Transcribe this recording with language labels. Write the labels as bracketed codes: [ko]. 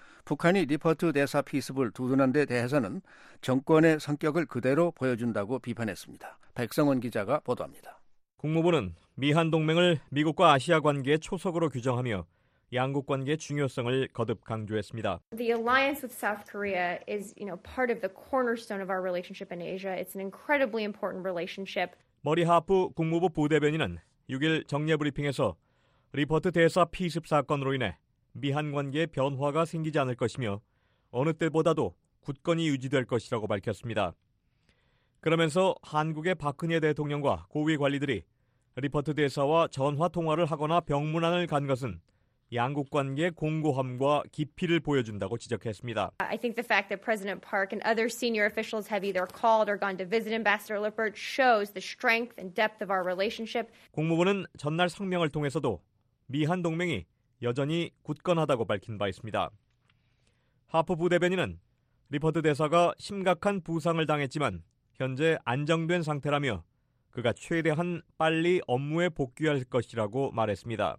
[ko] 북한이 리퍼트 대사 피습을 두둔한 데 대해서는 정권의 성격을 그대로 보여준다고 비판했습니다. 백성원 기자가 보도합니다. 국무부는 미한 동맹을 미국과 아시아 관계의 초석으로 규정하며 양국 관계의 중요성을 거듭 강조했습니다. [en] The alliance with South Korea is, you know, part of the cornerstone of our relationship in Asia. It's an incredibly important relationship. [ko] 머리 하프 국무부 부대변인은 6일 정례 브리핑에서 리퍼트 대사 피습 사건으로 인해 미한 관계의 변화가 생기지 않을 것이며 어느 때보다도 굳건히 유지될 것이라고 밝혔습니다. 그러면서 한국의 박근혜 대통령과 고위 관리들이 리퍼트 대사와 전화 통화를 하거나 병문안을 간 것은 양국 관계 공고함과 깊이를 보여준다고 지적했습니다. [en] I think the fact that President Park and other senior officials have either called or gone to visit Ambassador Lippert shows the strength and depth of our relationship. [ko] 국무부는 전날 성명을 통해서도 미한 동맹이 여전히 굳건하다고 밝힌 바 있습니다. 하프 부대변인은 리퍼트 대사가 심각한 부상을 당했지만 현재 안정된 상태라며 그가 최대한 빨리 업무에 복귀할 것이라고 말했습니다.